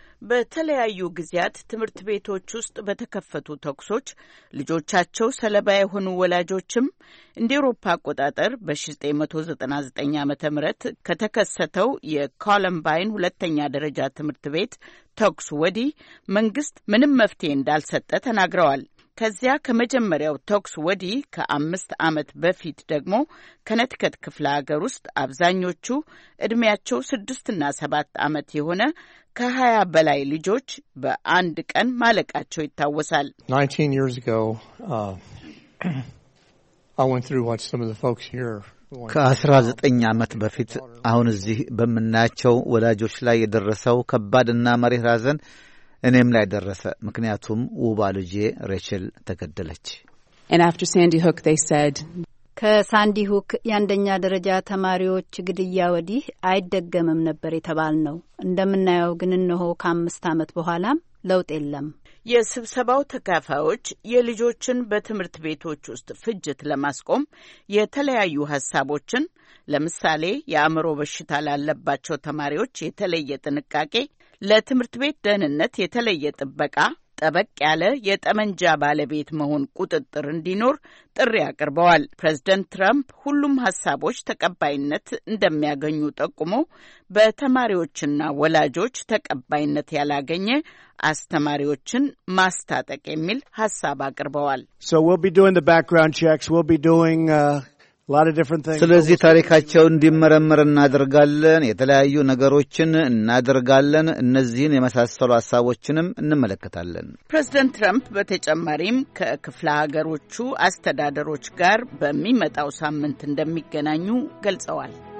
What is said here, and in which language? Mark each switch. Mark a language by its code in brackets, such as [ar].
[am] በተለያዩ ጊዜያት ትምህርት ቤቶች ውስጥ በተከፈቱ ተኩሶች ልጆቻቸው ሰለባ የሆኑ ወላጆችም እንደ አውሮፓ አቆጣጠር በ1999 ዓመተ ምህረት ከተከሰተው የኮለምባይን ሁለተኛ ደረጃ ትምህርት ቤት ተኩስ ወዲህ መንግስት ምንም መፍትሄ እንዳልሰጠ ተናግረዋል። ከዚያ ከመጀመሪያው ተኩስ ወዲህ ከአምስት ዓመት በፊት ደግሞ ከነትከት ክፍለ ሀገር ውስጥ አብዛኞቹ እድሜያቸው 6 እና 7 ዓመት የሆነ ከ20 በላይ ልጆች በአንድ ቀን ማለቃቸው ይታወሳል። [en] 19 years ago I went through what some of the folks here [am] ከ19 ዓመት በፊት አሁን እዚህ በመናቸው ወላጆች ላይ የደረሰው ከባድና መሪር ሀዘን እኔም ላይ ደረሰ። ምክንያቱም ውባ ልጄ ሬቸል ተገደለች። [en] And after Sandy Hook they said [am] ከሳንዲ ሁክ ያንደኛ ደረጃ ተማሪዎች ግድያ ወዲህ አይደገምም ነበር የተባልነው። እንደምናየው ግን እነሆ ከአምስት ዓመት በኋላም ለውጥ የለም። የስብሰባው ተካፋዮች የልጆችን በትምህርት ቤቶች ውስጥ ፍጅት ለማስቆም የተለያዩ ሐሳቦችን ለምሳሌ የአእምሮ በሽታ ላለባቸው ተማሪዎች የተለየ ጥንቃቄ፣ ለትምህርት ቤት ደህንነት የተለየ ጥበቃ፣ ጠበቅ ያለ የጠመንጃ ባለቤት መሆን ቁጥጥር እንዲኖር ጥሪ አቅርበዋል። ፕሬዝዳንት ትራምፕ ሁሉም ሐሳቦች ተቀባይነት እንደሚያገኙ ጠቁሞ በተማሪዎችና ወላጆች ተቀባይነት ያላገኘ አስተማሪዎችን ማስተጣቀ የሚል ሐሳብ አቅርበዋል። [en] So we'll be doing the background checks, we'll be doing a lot of different things. [am] ስለዚህ ታሪካቸው እንዲመረመር እናደርጋለን፣ የተለያዩ ነገሮችን እናደርጋለን፣ እነዚህን የመሳሰሉ ሐሳቦችንም እንመለከታለን። ፕሬዝዳንት ትራምፕ በተጨማሪም ከክፍለ ሀገሮቹ አስተዳደሮች ጋር በሚመጣው ሳምንት እንደሚገናኙ ገልጸዋል።